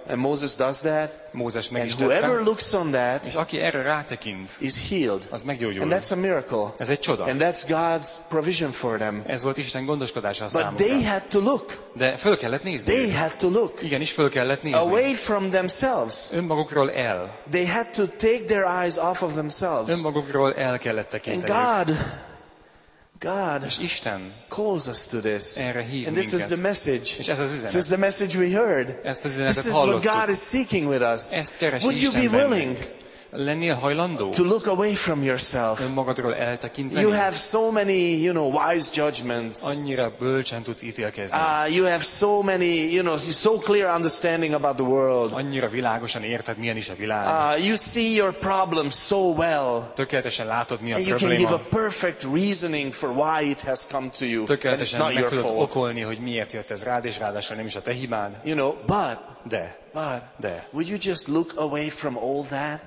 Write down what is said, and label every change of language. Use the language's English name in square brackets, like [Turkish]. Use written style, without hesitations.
[English] And Moses does that. [Hungarian] Mózes meg is tette. [English] And whoever looks on that, [Hungarian] és aki erre rátekint, [English] is healed. [Hungarian] Az meggyógyul. [English] And that's a miracle. [Hungarian] Ez egy csoda. [English] And that's God's provision for them. [Hungarian] Ez volt Isten gondoskodása számukra. [English] But they had to look. [Hungarian] De fel kellett nézni. [English] They had to look. [Hungarian] Igen, is fel kellett nézni. [English] Away from themselves. [Hungarian] Önmagukról el. [English] They had to take their eyes off of themselves. [Hungarian] Önmagukról el kellett tekinteni. [English] And God [Hungarian] és Isten [English] calls us to this. [Hungarian] Erre hív [English] and this [Hungarian] minket. [English] Is the message. [Hungarian] És ez az üzenet. [English] This is the message we heard. [Hungarian] Ezt az üzenetet hallottuk. [English] This is what God is seeking with us. [Hungarian] Ezt keresi Isten. [English] Would you be willing? [Hungarian] Lennél hajlandó? [English] To look away from yourself. [Hungarian] Önmagadról eltekinteni. [English] You have so many, you know, wise judgments. [Hungarian] Annyira bölcsen tudsz ítélkezni. [English] You have so many, you know, so clear understanding about the world. [Hungarian] Annyira világosan érted, milyen is a világ. [English] You see your problems so well. [Hungarian] Tökéletesen látod, mi a probléma. [English] You can give a perfect reasoning for why it has come to you. [Hungarian] Tökéletesen meg tudod okolni, hogy miért jött ez rád, és ráadásul nem is a te hibád. [English] You know, but. [Hungarian] De. [English] But [Hungarian] de. [English] Would you just look away from all that?